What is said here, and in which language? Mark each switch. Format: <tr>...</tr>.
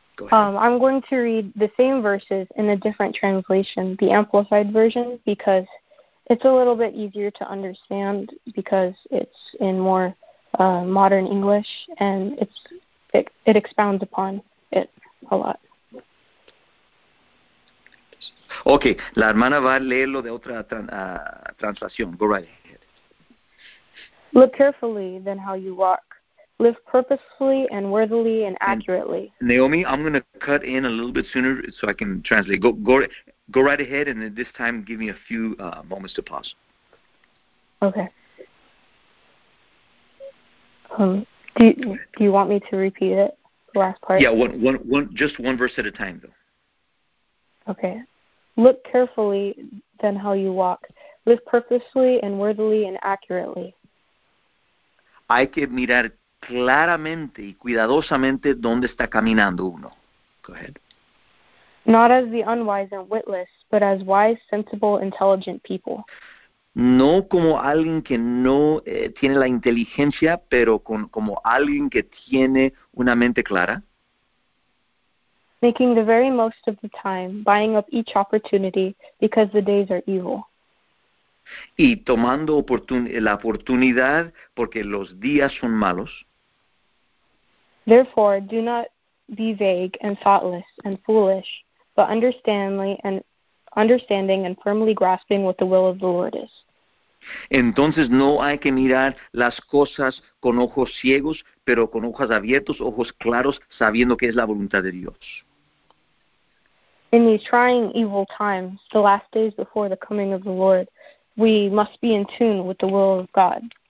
<en>I'm going to read the same verses in a different translation, the Amplified Version, because it's a little bit easier to understand, because it's in more modern English, and it expounds upon it a lot.</en> <es>Okay, la hermana va a leerlo de otra translación.</es> <en>Go right ahead. Look carefully then how you walk. Live purposefully and worthily and accurately. And Naomi, I'm going to cut in a little bit sooner so I can translate. Go right ahead, and at this time give me a few moments to pause. Okay. Do you want me to repeat it, the last part? Yeah, just one verse at a time, though. Okay. Look carefully, then, how you walk. Live purposefully and worthily and accurately.</en> <es>Hay que mirar claramente y cuidadosamente dónde está caminando uno.</es> <en>Go ahead. Not as the unwise and witless, but as wise, sensible, intelligent people.</en> <es>No como alguien que no tiene la inteligencia, pero como alguien que tiene una mente clara.</es> <en>Making the very most of the time, buying up each opportunity, because the days are evil.</en> <es>Y tomando la oportunidad, porque los días son malos.</es> <en>Therefore, do not be vague and thoughtless and foolish, but understanding and firmly grasping what the will of the Lord is.</en> <es>Entonces no hay que mirar las cosas con ojos ciegos, pero con ojos abiertos, ojos claros, sabiendo que es la voluntad de Dios.</es> <en>In these trying evil times, the last days before the coming of the Lord, we must be in tune with the will of God.</en>